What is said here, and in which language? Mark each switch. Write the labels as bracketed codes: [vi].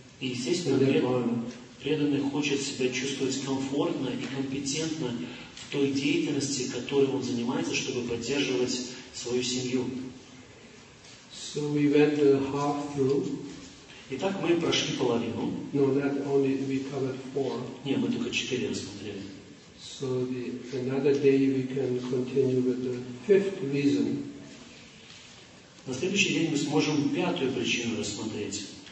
[ru] И естественно, преданный хочет себя чувствовать комфортно и компетентно в той деятельности, которой он занимается, чтобы поддерживать свою семью. [en] So we went half through. [ru] Итак, мы прошли половину. [en] No, not only we covered four. [ru] Нет, мы только четыре рассмотрели. [en] So the another day we can continue with the fifth reason. [ru] На следующий день мы сможем пятую причину рассмотреть.